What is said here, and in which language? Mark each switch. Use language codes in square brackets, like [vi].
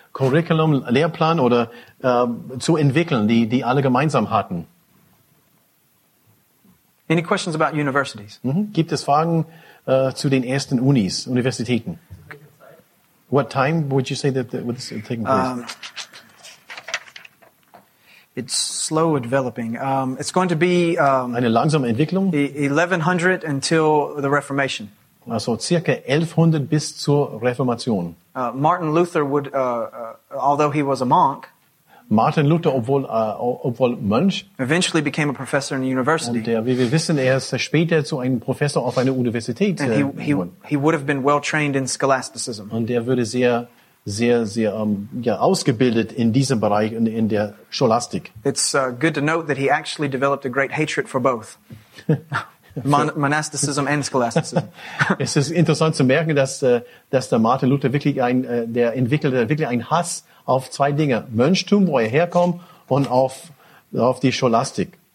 [de] Curriculum, Lehrplan oder zu entwickeln, die alle gemeinsam hatten. [en] Any questions about universities? Mhm. [de] Gibt es Fragen zu den ersten Unis, Universitäten? [en] What time would you say that was taking place? It's slow developing. It's going to be [de] eine langsame Entwicklung. [en] 1100 until the Reformation. [de] Also circa 1100 bis zur Reformation. [en] Martin Luther would, although he was a monk, [de] Martin Luther, obwohl Mönch, [en] eventually became a professor in a university. [de] Und wie wir wissen, er ist später zu einem Professor auf einer Universität. [en] And he would have been well trained in Scholasticism. [de] Und er würde sehr, sehr, sehr ausgebildet in diesem Bereich in der Scholastik. [en] It's good to note that he actually developed a great hatred for both. Monasticism and Scholasticism. [de] Es ist interessant zu merken, dass der Martin Luther wirklich entwickelte einen Hass auf zwei Dinge: Mönchtum, wo er herkommt, und auf die Scholastik.